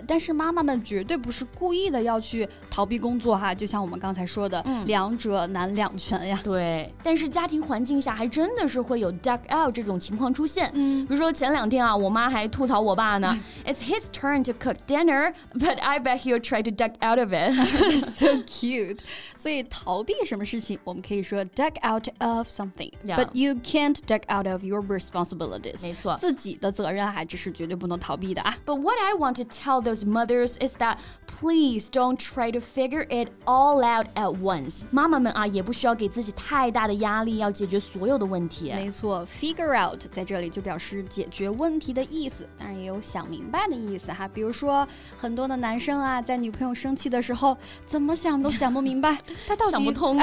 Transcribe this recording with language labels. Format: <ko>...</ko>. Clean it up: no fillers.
<zh>但是妈妈们绝对不是故意的要去逃避工作哈，就像我们刚才说的，两者难两全呀。对，但是家庭环境下还真的是会有 duck out 这种情况出现。比如如说前两天啊，我妈还吐槽我爸呢。</zh> <en>It's his turn to cook dinner, but I bet he'll try to duck out of it. So cute.</en> <zh>所以逃避什么事情，我们可以说 duck out of something.、</zh> <en>Yeah. But you can't duck out of your responsibilities.</en> <zh>没错。自己的责任还是绝对不能逃避的啊。</zh> <en>But what I want to tell those mothers is that please don't try to figure it all out at once.</en> <zh>妈妈们啊，也不需要给自己太大的压力，要解决所有的问题。没错 ,figure out 在这里就表示解决问题的意思，当然也有想明白的意思哈。比如说很多的男生啊，在女朋友生气的时候怎么想都想不明白他到底想不通啊、</zh>